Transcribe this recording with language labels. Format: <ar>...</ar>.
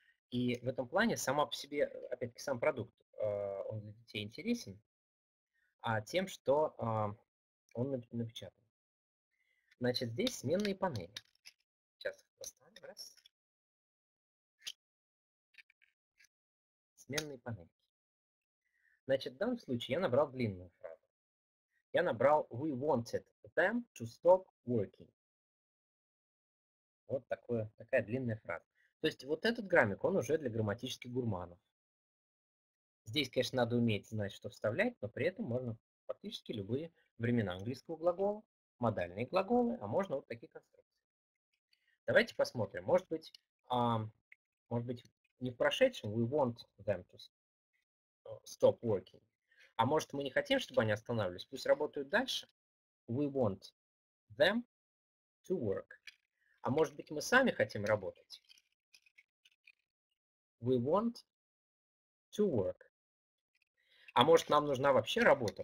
<ru>И в этом плане сама по себе, опять-таки, сам продукт, он для детей интересен, а тем, что он напечатан. Значит, здесь сменные панели. Сейчас их поставим. Раз. Сменные панели. Значит, в данном случае я набрал длинную фразу. Я набрал</ru> <en>«We wanted them to stop working».</en> <ru>Вот такое, такая длинная фраза. То есть вот этот граммик, он уже для грамматических гурманов. Здесь, конечно, надо уметь знать, что вставлять, но при этом можно фактически любые времена английского глагола, модальные глаголы, а можно вот такие конструкции. Давайте посмотрим. Может быть, не в прошедшем,</ru> <en>we want them to stop working.</en> <ru>А может, мы не хотим, чтобы они останавливались, пусть работают дальше.</ru> <en>We want them to work.</en> <ru>А может быть, мы сами хотим работать?</ru> <en>We want to work.</en> <ru>А может, нам нужна вообще работа?</ru>